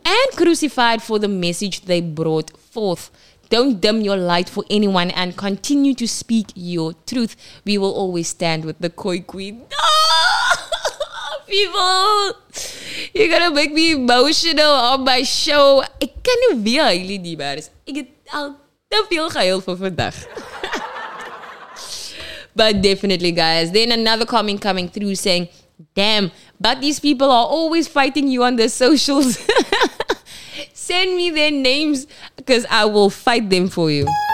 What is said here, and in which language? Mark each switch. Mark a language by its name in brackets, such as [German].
[English] And crucified for the message they brought forth. Don't dim your light for anyone and continue to speak your truth. We will always stand with the Khoi Kween. No! People, you're going to make me emotional on my show. [Afrikaans] Ek kan nie weer huil nie, maar ek het al te veel gehuil vir vandag. [English] But definitely, guys. Then another comment coming through saying, damn, but these people are always fighting you on their socials. Send me their names because I will fight them for you.